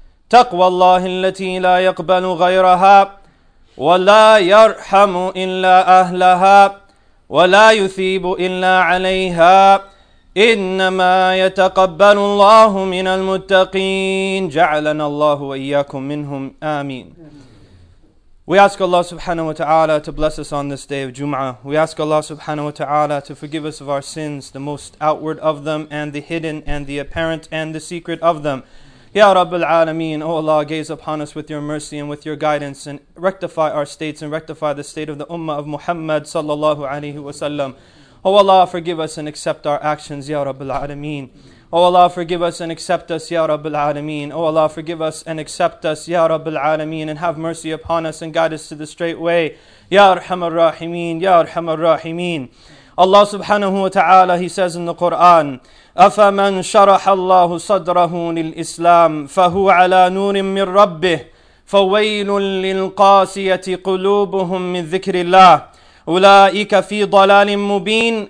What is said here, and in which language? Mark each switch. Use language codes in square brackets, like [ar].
[ar] تقوى الله التي لا يقبل غيرها ولا يرحم إلا أهلها ولا يثيب إلا عليها إنما يتقبل الله من المتقين جعلنا الله وإياكم منهم آمين. [en] We ask Allah subhanahu wa ta'ala to bless us on this day of Jum'ah. We ask Allah subhanahu wa ta'ala to forgive us of our sins, the most outward of them, and the hidden, and the apparent, and the secret of them. Ya Rabbul Alameen, O Allah, gaze upon us with your mercy and with your guidance and rectify our states and rectify the state of the Ummah of Muhammad sallallahu alayhi wa sallam. O Allah, forgive us and accept our actions, Ya Rabbul Alameen. O Allah, forgive us and accept us, Ya Rabbul Alameen. O Allah, forgive us and accept us, Ya Rabbul Alameen, and have mercy upon us and guide us to the straight way. Ya Arhamar Rahimeen, Ya Arhamar Rahimeen. Allah subhanahu wa ta'ala, He says in the Quran, [ar] أَفَمَنْ شَرَحَ اللَّهُ صَدْرَهُ لِلْإِسْلَامِ فَهُوَ عَلَى نُورٍ مِّنْ رَبِّهِ فَوَيْلٌ لِلْقَاسِيَةِ قُلُوبُهُمْ مِّنْ ذِكْرِ اللَّهِ أُولَٰئِكَ فِي ضَلَالٍ مُّبِينٍ.